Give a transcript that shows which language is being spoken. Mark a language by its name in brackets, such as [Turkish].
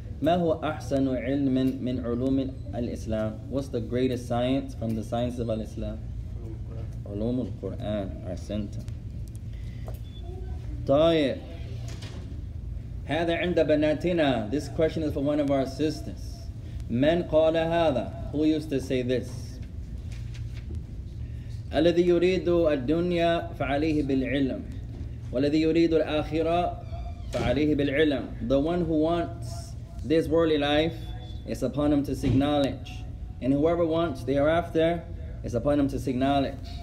[Arabic] ما هو أحسن علم من علوم الإسلام? [English] What's the greatest science from the science of Islam? [Arabic] علوم القرآن. أحسنت. طيب. هذا عند بناتنا. [English] This question is for one of our sisters. [Arabic] من قال هذا? [English] Who used to say this? [Arabic] الذي يريد الدنيا فعليه بالعلم والذي يريد الآخرة فعليه بالعلم. [English] The one who wants this worldly life is upon him to seek knowledge, and whoever wants the hereafter is upon him to seek knowledge.